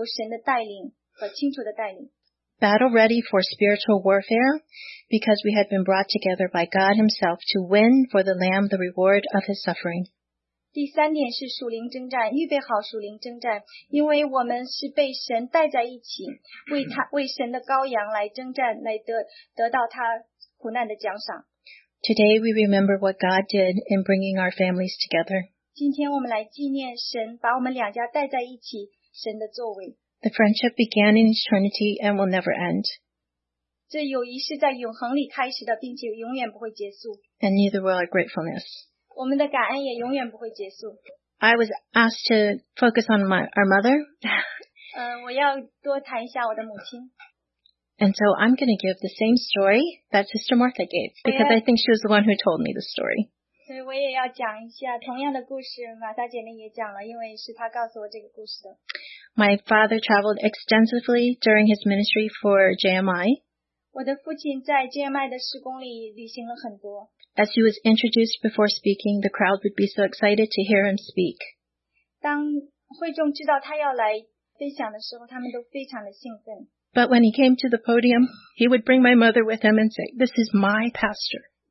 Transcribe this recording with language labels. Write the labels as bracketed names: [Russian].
[Chinese] 第二点是代祷，并且借着等候神，来寻求神的带领和清楚的带领。 [English] Battle ready for spiritual warfare, because we had been brought together by God Himself to win for the Lamb the reward of His suffering. [Chinese] 第三点是属灵征战，预备好属灵征战，因为我们是被神带在一起，为神的羔羊来征战，来得到他苦难的奖赏。 [English] Today we remember what God did in bringing our families together. [Chinese] 今天我们来纪念神把我们两家带在一起，神的作为。 [English] The friendship began in eternity and will never end. [Chinese] 这友谊是在永恒里开始的，并且永远不会结束。 [English] And neither will our gratefulness. [Chinese] 我们的感恩也永远不会结束。 [English] I was asked to focus on our mother. [Chinese] 我要多谈一下我的母亲。 [English] And so I'm going to give the same story that Sister Martha gave, because I think she was the one who told me the story. My father traveled extensively during his ministry for JMI. [Chinese] 我的父亲在JMI的施工里旅行了很多。 [English] As he was introduced before speaking, the crowd would be so excited to hear him speak. [Chinese] 当会众知道他要来分享的时候，他们都非常的兴奋。 [English] But when he came to the podium, he would bring my mother with him and say, "This is my pastor."